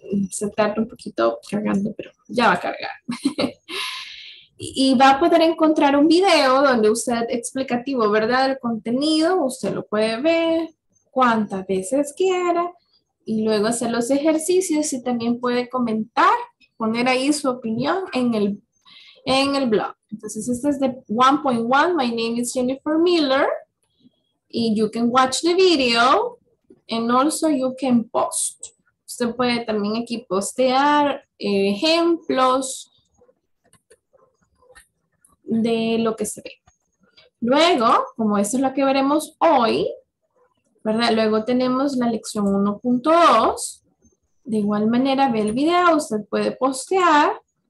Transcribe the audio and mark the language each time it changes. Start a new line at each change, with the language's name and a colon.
Spanish: Se tarda un poquito cargando, pero ya va a cargar. Y va a poder encontrar un video donde usted explicativo, ¿verdad? El contenido, usted lo puede ver cuantas veces quiera y luego hacer los ejercicios y también puede comentar, poner ahí su opinión en el blog. Entonces, este es de 1.1.
English: My name is Jennifer Miller y you can watch the video and also you can post.
Spanish: Usted puede también aquí postear ejemplos de lo que se ve. Luego, como esto es lo que veremos hoy, ¿verdad? Luego tenemos la lección 1.2. De igual manera, ve el video, usted puede postear.